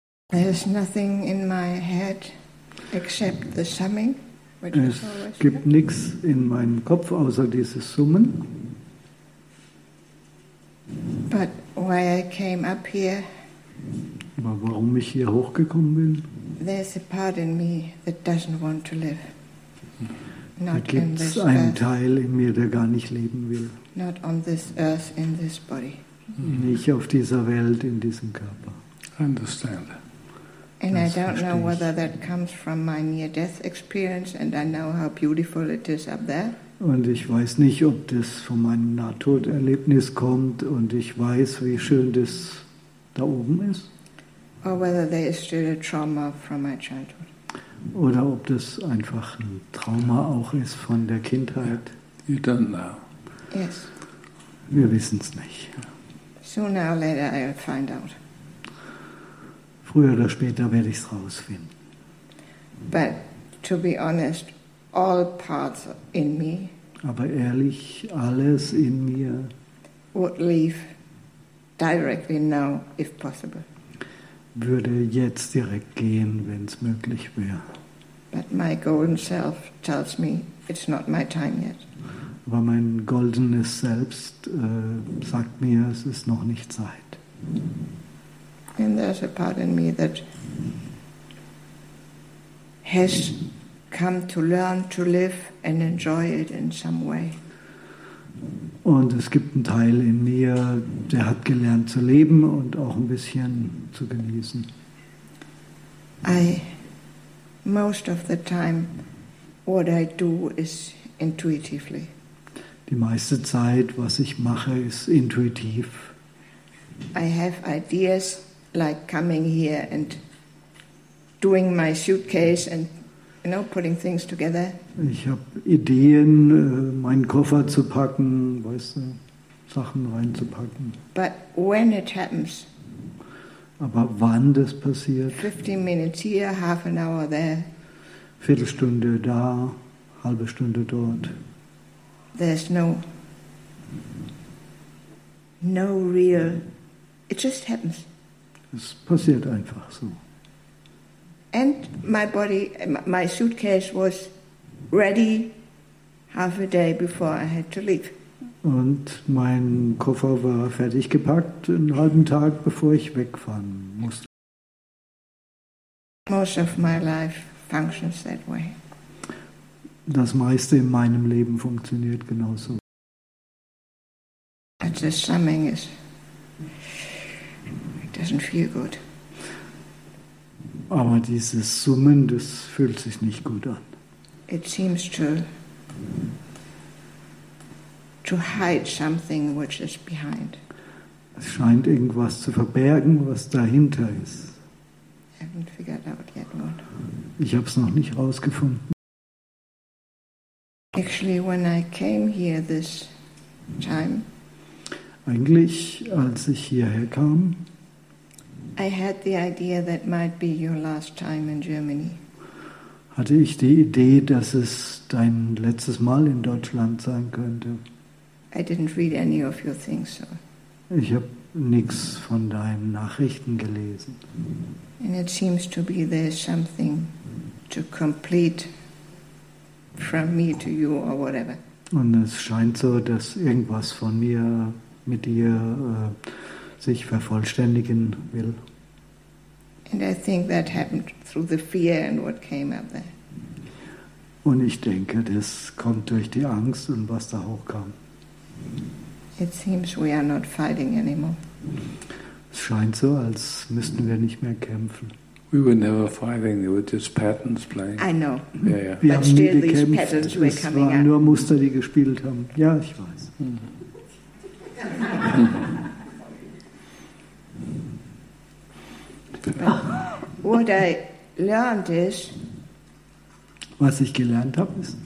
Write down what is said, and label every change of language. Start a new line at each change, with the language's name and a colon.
English: There's nothing in my head except the summing, which
German: es gibt nichts in meinem Kopf außer dieses Summen.
English: But why I came up here,
German: aber warum ich hier hochgekommen bin,
English: there's a part in me that doesn't want to live.
German: Da gibt es einen Teil in mir, der gar nicht leben will.
English: Not on this earth, in this body.
German: Nicht auf dieser Welt, in diesem Körper.
English: I understand. And I don't know whether that comes from my near-death experience, and I know how beautiful it is up there.
German: Und ich weiß nicht, ob das von meinem Nahtoderlebnis kommt, und ich weiß, wie schön das da oben ist.
English: Or whether there is still a trauma from my childhood.
German: Oder ob das einfach ein Trauma auch ist von der Kindheit.
English: You don't know. Yes.
German: Wir wissen's nicht.
English: Sooner or later I'll find out.
German: Früher oder später werde ich es rausfinden.
English: But to be honest, all parts in me.
German: Aber ehrlich, alles in mir.
English: Would leave directly now, if possible.
German: Würde jetzt direkt gehen, wenn es möglich wäre.
English: But my golden self tells me it's not my time yet.
German: Aber mein goldenes Selbst sagt mir, es ist noch nicht Zeit.
English: And there's a part in me that has come to learn to live and enjoy it in some way.
German: Und es gibt einen Teil in mir, der hat gelernt zu leben und auch ein bisschen zu genießen.
English: I, most of the time, what I do is intuitively.
German: Die meiste Zeit, was ich mache, ist intuitiv.
English: I have ideas. Like coming here and doing my suitcase and, you know, putting things together.
German: Ich habe Ideen, meinen Koffer zu packen, weißt du, Sachen reinzupacken.
English: But when it happens.
German: Aber wann das passiert?
English: 15 minutes here, half an hour there.
German: Viertelstunde da, halbe Stunde dort.
English: There's no real. It just happens.
German: Es passiert einfach so.
English: And my body, my suitcase was ready half a day before I had to leave.
German: Und mein Koffer war fertig gepackt einen halben Tag bevor ich wegfahren musste.
English: Most of my life functions that way.
German: Das meiste in meinem Leben funktioniert genauso.
English: But the summing is. Doesn't feel good.
German: Aber dieses Summen, das fühlt sich nicht gut an.
English: It seems to hide something which is behind.
German: Es scheint irgendwas zu verbergen, was dahinter ist.
English: I haven't figured out yet what.
German: Ich habe es noch nicht rausgefunden.
English: Actually, when I came here this time,
German: eigentlich, als ich hierher kam,
English: I had the idea that might be your last time in Germany.
German: Hatte ich die Idee, dass es dein letztes Mal in Deutschland sein könnte.
English: I didn't read any of your things, so.
German: Ich habe nichts von deinen Nachrichten gelesen.
English: And it seems to be there's something to complete from me to you or whatever.
German: Und es scheint so, dass irgendwas von mir mit dir sich vervollständigen will.
English: And I think that happened through the fear and what came up there.
German: Und ich denke, das kommt durch die Angst und was da hochkam.
English: It seems we are not fighting anymore.
German: Es scheint so, als müssten wir nicht mehr kämpfen.
English: We were never fighting, there were just patterns playing. I know. Yeah, yeah.
German: Wir haben nie gekämpft, es waren nur Muster, die gespielt haben. Ja, ich weiß.
English: What I learned is,
German: was ich gelernt habe, ist,